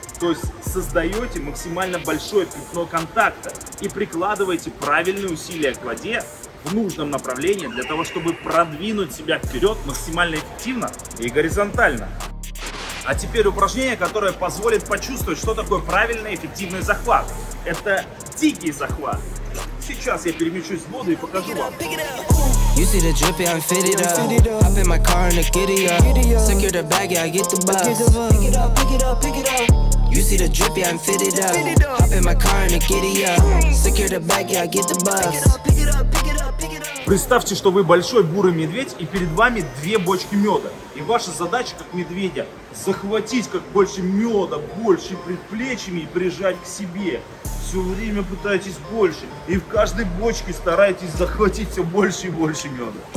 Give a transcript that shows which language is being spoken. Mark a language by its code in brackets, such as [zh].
[ru] То есть создаете максимально большое пятно контакта и прикладываете правильные усилия к воде в нужном направлении для того, чтобы продвинуть себя вперед максимально эффективно и горизонтально. А теперь упражнение, которое позволит почувствовать, что такое правильный эффективный захват. Это дикий захват. Сейчас я перемещусь в воду и покажу вам. [en] You see the drippy, I'm fitted up. Hop in my car in a giddy up. Secure the bag, yeah, I get the bus. Pick it up, pick it up, pick it up. You see the drippy, I'm fitted up. Hop in my car in a giddy up. Secure the bag, yeah, I get the bus. [ru] Представьте, что вы большой бурый медведь, и перед вами две бочки меда. И ваша задача, как медведя, захватить как больше меда, больше предплечьями и прижать к себе. Все время пытаетесь больше, и в каждой бочке стараетесь захватить все больше и больше меда.